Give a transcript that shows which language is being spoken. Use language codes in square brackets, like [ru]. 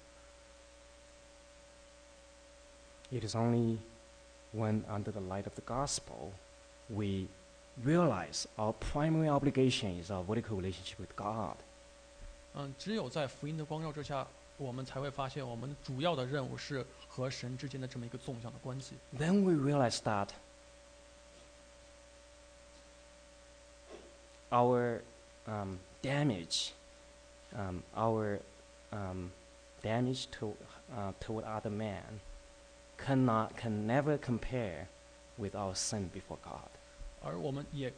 [zh] 而这么一个歉意和真正的诚心的悔改是有很大的距离的。It [en] is only when under the light of the gospel we realize our primary obligation is our vertical relationship with God. [zh] 只有在福音的光照之下，我们才会发现我们主要的任务是和神之间的这么一个纵向的关系。Then [en] we realize that our damage toward other men can never compare with our sin before God.